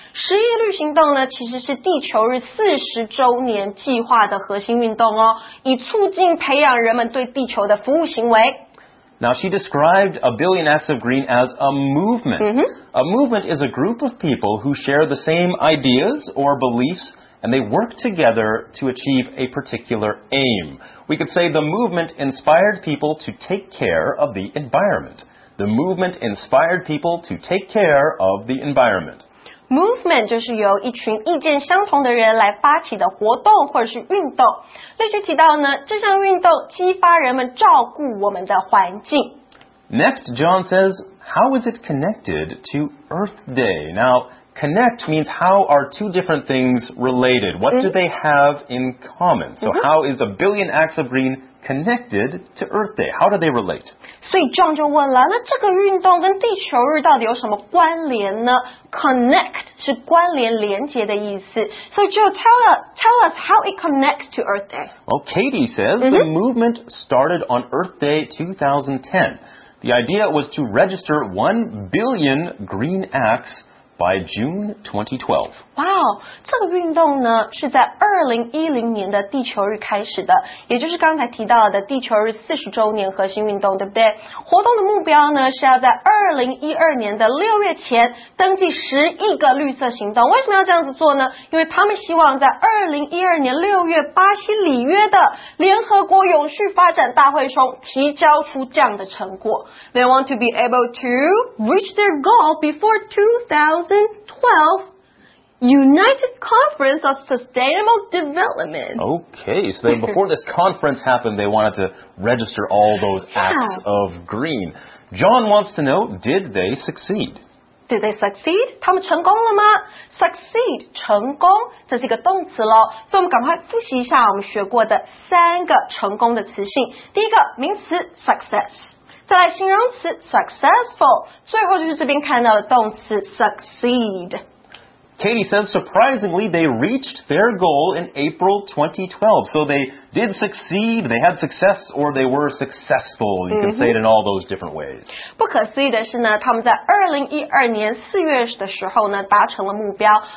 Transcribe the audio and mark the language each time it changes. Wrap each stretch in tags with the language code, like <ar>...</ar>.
<zh>十亿绿行动呢，其实是地球日40周年计划的核心运动哦，以促进培养人们对地球的服务行为。</zh> <en>Now, she described a billion acts of green as a movement.、 Mm-hmm. A movement is a group of people who share the same ideas or beliefs, and they work together to achieve a particular aim. We could say the movement inspired people to take care of the environment. The movement inspired people to take care of the environment.</en> <zh>Movement 就是由一群意见相同的人来发起的活动或者是运动。例句提到呢，这项运动激发人们照顾我们的环境。</zh> <en>Next, John says, how is it connected to Earth Day? Now, connect means how are two different things related? What do they have in common? So how is a billion acts of green connected to Earth Day? How do they relate?</en> <zh>所以 John 就问了，那这个运动跟地球日到底有什么关联呢？ Connect 是关联连接的意思。</zh> <en>So Joe, tell us how it connects to Earth Day. Well, Katie says, the movement started on Earth Day 2010. The idea was to register 1 billion green acts by June 2012.</en> <zh>Wow, 这个运动呢是在2010年的地球日开始的，也就是刚才提到的地球日40周年核心运动，对不对？活动的目标呢是要在2012年的6月前登记10亿个绿色行动。为什么要这样子做呢？因为他们希望在2012年6月巴西里约的联合国永续发展大会中提交出这样的成果。</zh> <en>They want to be able to reach their goal before 2012 United Conference of Sustainable Development. Okay, so then before this conference happened, they wanted to register all those acts of green. John wants to know, did they succeed? Did they succeed?</en> <zh>他们成功了吗?Succeed, 成功,这是一个动词咯。所以我们赶快复习一下我们学过的三个成功的词性。第一个名词 success。再来形容词 successful, 最后就是这边看到的动词 succeed.</zh> <en>Katie says, surprisingly, they reached their goal in April 2012. So they did succeed, they had success, or they were successful. You can say it in all those different ways.</en> <zh>不可思议的是呢，他们在2012年4月的时候呢，达成了目标。</zh>